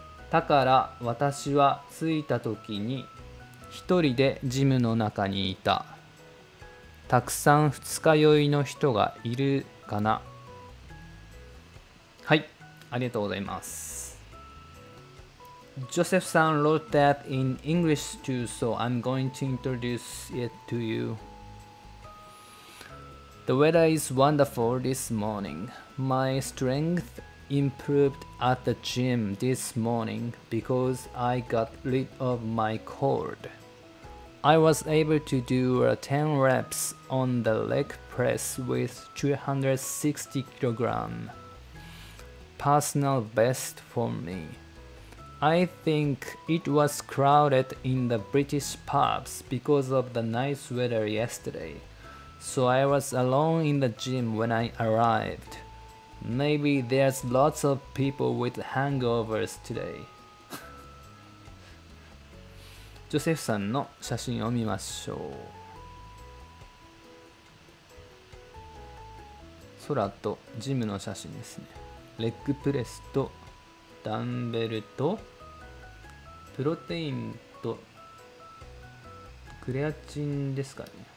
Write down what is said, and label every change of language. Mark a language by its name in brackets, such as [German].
[Japanese] だから私は着いた時に一人でジムの中にいた。たくさん二日酔いの人がいるかな。はい、ありがとうございます。 [English] Joseph さん wrote that in English too, so I'm going to introduce it to you. The weather is wonderful this morning. My strength improved at the gym this morning because I got rid of my cold. I was able to do 10 reps on the leg press with 260 kg. Personal best for me. I think it was crowded in the British pubs because of the nice weather yesterday. So I was alone in the gym when I arrived. Maybe there's lots of people with hangovers today. [Japanese] ジョセフさんの写真を見ましょう。空とジムの写真ですね。レッグプレスとダンベルとプロテインとクレアチンですかね。